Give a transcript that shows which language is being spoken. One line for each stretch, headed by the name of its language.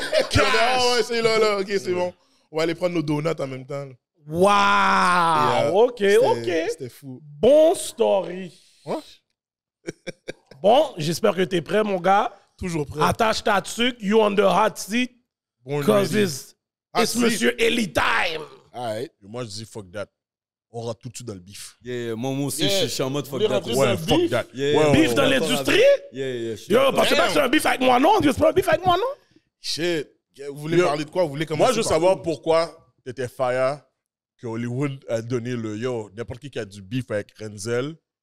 English: Cash!
French: Ah ouais, c'est là, OK, c'est bon. On va aller prendre nos donuts en même temps. Waouh! Ok, c'était fou. Bon story. Bon, j'espère que t'es prêt, mon gars. Toujours prêt. Attache ta tuque.
English: You on the hot seat. Born cause ready. It's Monsieur Ellie time. All right.
French: Moi, je dis
English: fuck that.
French: On rentre tout de suite dans le beef.
English: Yeah,
French: moi aussi,
English: yeah.
French: Je suis en mode
English: fuck that.
French: Ouais,
English: fuck that.
French: Beef dans l'industrie?
English: Yeah.
French: Yo, parce que c'est un beef avec moi, non? C'est pas un beef avec moi, non?
English: Shit.
French: Vous voulez parler de quoi? Vous voulez commencer? Moi, je veux savoir pourquoi t'étais fire. Que Hollywood a donné le yo, n'importe qui a du beef avec Renzel.